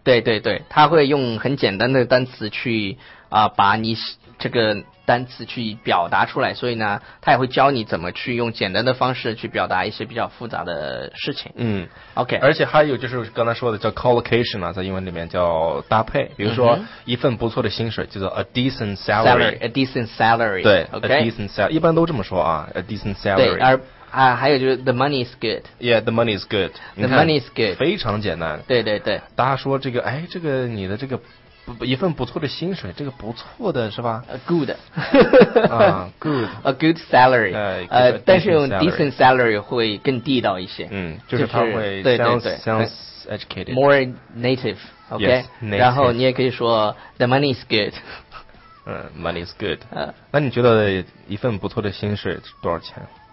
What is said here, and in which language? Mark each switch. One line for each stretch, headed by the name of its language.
Chinese: 对对对，他会用很简单的单词去把你这个单词去表达出来，所以呢他也会教你怎么去用简单的方式去表达一些比较复杂的事情。嗯，
English: OK,
Chinese: 而且还有就是刚才说的叫 collocation 啊，在英文里面叫搭配，比如说一份不错的薪水叫做
English: a decent salary, a decent salary,
Chinese: 对、
English: okay. a decent salary,
Chinese: 一般都这么说啊，
English: a decent salary,
Chinese: 对，而还有就是
English: the money is good. Yeah, the money is good. The money is good.
Chinese: 非常简单。对对对。大家说这个，哎，这个你的这个一份不错的薪水，这个不错的是吧
English: ？A good. 啊，good. A good salary.
Chinese: 但是用
English: decent
Chinese: salary 会更地道一些。嗯，就是它会
English: sounds educated. More native. OK. Yes, native.
Chinese: 然后你也可以说
English: the money is good. 嗯 ，money is good.
Chinese: 那你觉得一份不错的薪水多少钱？